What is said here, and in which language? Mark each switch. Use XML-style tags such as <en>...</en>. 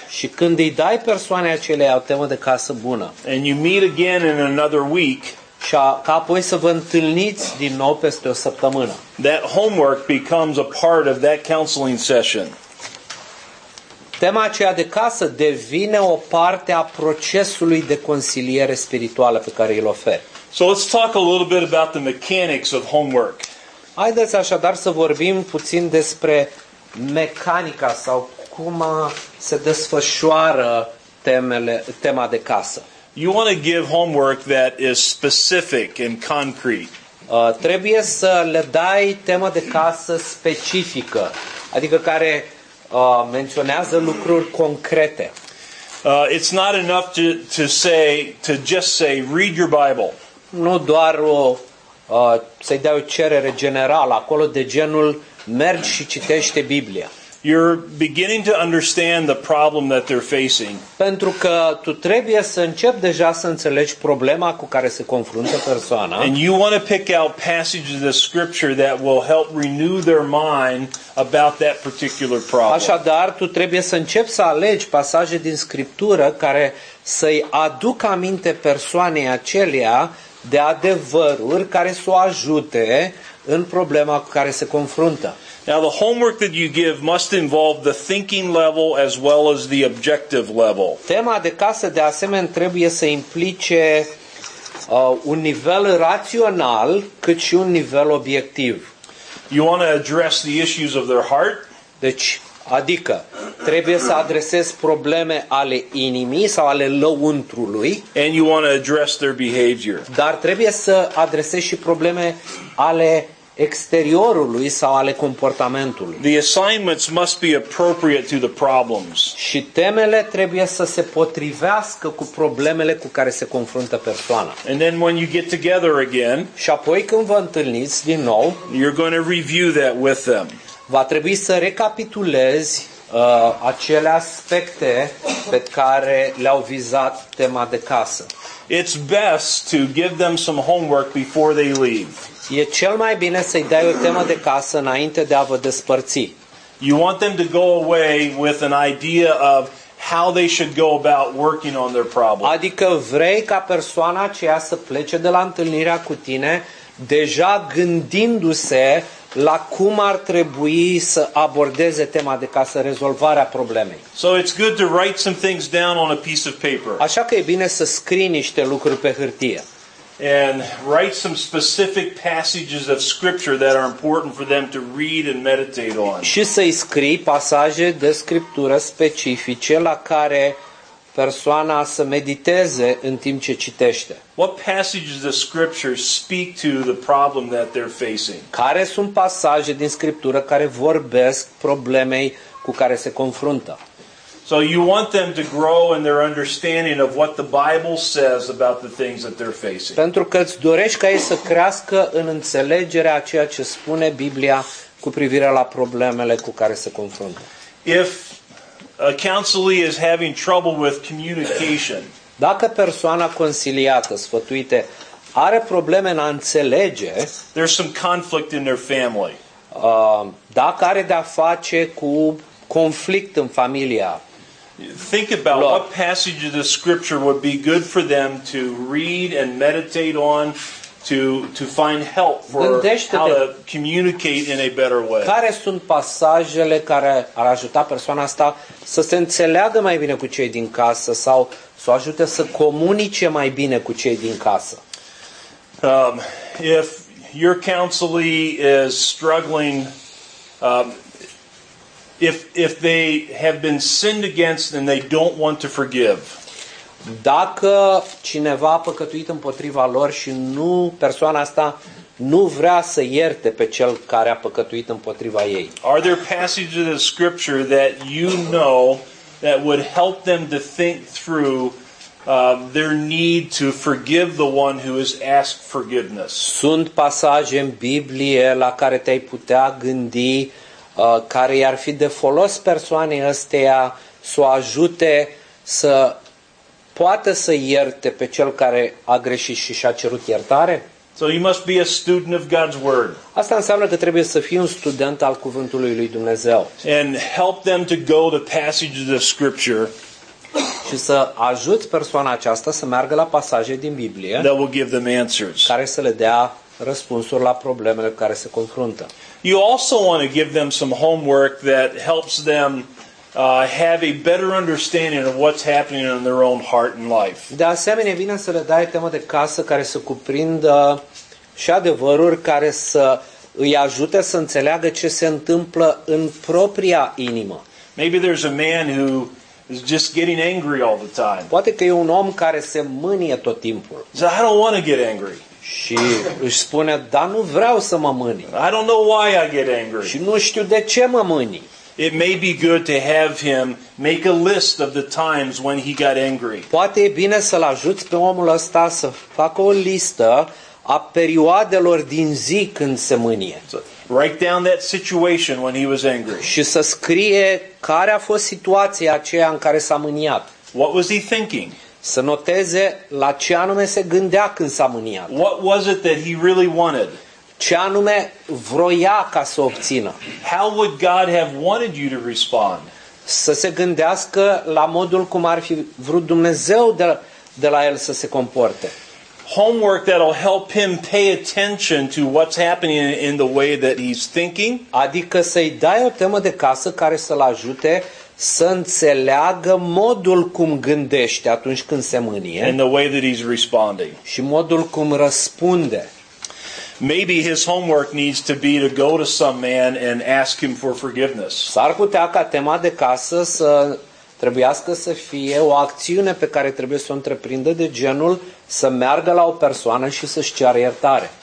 <ro>și când îi dai persoanei aceleia o temă de casă bună,</ro> <en>and you meet again in another week,</en> <ro>și ca apoi să vă întâlniți din nou peste o săptămână,</ro> <en>that homework becomes a part of that counseling session.</en> <ro>Tema aceea de casă devine o parte a procesului de consiliere spirituală pe care îl ofer.</ro> <en>So let's talk a little bit about the mechanics of homework.</en> <ro>Haideți așadar să vorbim puțin despre mecanica sau cum se desfășoară tema de casă.</ro> <en>You want to give homework that is specific and concrete.</en> <ro>Trebuie să le dai tema de casă specifică, adică care menționează lucruri concrete.</ro> <en>It's not enough to just say read your Bible.</en> <ro>Nu doar să-i dai o cerere generală, acolo de genul mergi și citește Biblia.</ro> <en>You're beginning to understand the problem that they're facing.</en> <ro>Pentru că tu trebuie să începi deja să înțelegi problema cu care se confruntă persoana.</ro> <en>And you want to pick out passages of scripture that will help renew their mind about that particular problem.</en> <ro>Așadar, tu trebuie să începi să alegi pasaje din scriptură care să-i aducă aminte persoanei acelea de adevăruri care să o ajute în problema cu care se confruntă.</ro> <en>Now the homework that you give must involve the thinking level as well as the objective level.</en> <ro>Tema de casă de asemenea trebuie să implice un nivel rațional cât și un nivel obiectiv.</ro> <en>You want to address the issues of their heart?</en> <ro>Deci, adică trebuie să adresezi probleme ale inimii sau ale lăuntrului.</ro> <en>And you want to address their behavior.</en> <ro>Dar trebuie să adresezi și probleme ale exteriorului sau ale comportamentului.</ro> <en>The assignments must be appropriate to the problems.</en> <ro>Și temele trebuie să se potrivească cu problemele cu care se confruntă persoana.</ro> <en>And then when you get together again,</en> <ro>și apoi când vă întâlniți din nou,</ro> <en>you're going to review that with them.</en> <ro>Va trebui să recapitulezi acele aspecte pe care le-au vizat tema de casă.</ro> <en>It's best to give them some homework before they leave.</en> <ro>E cel mai bine să-i dai o temă de casă înainte de a vă despărți.</ro> <en>You want them to go away with an idea of how they should go about working on their problem.</en> <ro>Adică vrei ca persoana aceea să plece de la întâlnirea cu tine deja gândindu-se la cum ar trebui să abordeze tema de casă, rezolvarea problemei.</ro> <en>So it's good to write some things down on a piece of paper.</en> <ro>Așa că e bine să scrii niște lucruri pe hârtie.</ro> <en>And write some specific passages of scripture that are important for them to read and meditate on.</en> <ro>Și să-i scrii pasaje de scriptură specifice la care persoana să mediteze în timp ce citește.</ro> <en>What passages of scripture speak to the problem that they're facing?</en> <ro>Care sunt pasaje din scriptură care vorbesc problemei cu care se confruntă?</ro> <en>So you want them to grow in their understanding of what the Bible says about the things that they're facing.</en> <ro>Pentru că îți dorești ca ei să crească în înțelegerea a ceea ce spune Biblia cu privire la problemele cu care se confruntă.</ro> <en>If a counselee is having trouble with communication.</en> <ro>Dacă persoana consiliată, sfătuită, are probleme în a înțelege,</ro> <en>there's some conflict in their family.</en> <ro>Dacă are de-a face cu conflict în familia.</ro> <en>Think about what passage of the scripture would be good for them to read and meditate on to find help for how to communicate in a better way.</en> <ro>Care sunt pasajele care ar ajuta persoana asta să se înțeleagă mai bine cu cei din casă sau să o ajute să comunice mai bine cu cei din casă?</ro> <en>If your counselee is struggling, if they have been sinned against and they don't want to forgive.</en> <ro>Dacă cineva a păcătuit împotriva lor și nu persoana asta nu vrea să ierte pe cel care a păcătuit împotriva ei.</ro> <en>Are there passages of the scripture that you know that would help them to think through their need to forgive the one who has asked forgiveness?</en> <ro>Sunt pasaje în Biblie la care te-ai putea gândi care i-ar fi de folos persoanei ăsteia să o ajute să poată să ierte pe cel care a greșit și și-a cerut iertare?</ro> <en>So you must be a student of God's word.</en> <ro>Asta înseamnă că trebuie să fii un student al cuvântului lui Dumnezeu.</ro> <en>And help them to go to passages of scripture.</en> <ro>Și să ajuți persoana aceasta să meargă la pasaje din Biblie.</ro> <en>That will give them answers.</en> <ro>Care să le dea răspunsuri la problemele cu care se confruntă.</ro> <en>You also want to give them some homework that helps them have a better understanding of what's happening in their own heart and life.</en> <ro>De asemenea, e bine să le dai temă de casă care să cuprindă și adevăruri care să îi ajute să înțeleagă ce se întâmplă în propria inimă.</ro> <en>Maybe there's a man who is just getting angry all the time.</en> <ro>Poate că e un om care se mânie tot timpul.</ro> <en>So I don't want to get angry.</en> <ro>Și își spune, dar nu vreau să mă mâni.</ro> <en>I don't know why I get angry.</en> <ro>Și nu știu de ce mă mâni.</ro> <en>It may be good to have him make a list of the times when he got angry.</en> <ro>Poate e bine să-l ajuți pe omul ăsta să facă o listă a perioadelor din zi când se mânie.</ro> <en>So, write down that situation when he was angry.</en> <ro>Și să scrie care a fost situația aceea în care s-a mâniat.</ro> <en>What was he thinking?</en> <ro>Să noteze la ce anume se gândea când s-a mâniat.</ro> <en>What was it that he really wanted?</en> <ro>Ce anume vroia ca să obțină?</ro> <en>How would God have wanted you to respond?</en> <ro>Să se gândească la modul cum ar fi vrut Dumnezeu de la el să se comporte.</ro> <en>Homework that'll help him pay attention to what's happening in the way that he's thinking.</en> <ro>Adică să-i dai o temă de casă care să-l ajute să înțeleagă modul cum gândește atunci când se mânie.</ro> <en>And the way that he's responding.</en> <ro>Și modul cum răspunde.</ro> <en>Maybe his homework needs to be to go to some man and ask him for forgiveness.</en> <ro>S-ar putea ca tema de casă să trebuiască să fie o acțiune pe care trebuie să o întreprindă de genul să meargă la o persoană și să-și ceară iertare.</ro>